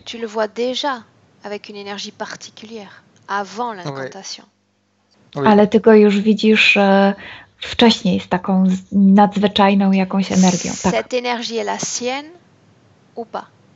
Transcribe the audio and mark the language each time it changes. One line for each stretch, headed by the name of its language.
French: Tu le vois déjà avec une énergie particulière, avant l'incantation. Oui.
Polish: Ale ty go już widzisz wcześniej z taką nadzwyczajną jakąś energią. Tak.
French: Cette énergie est la sienne ou pas?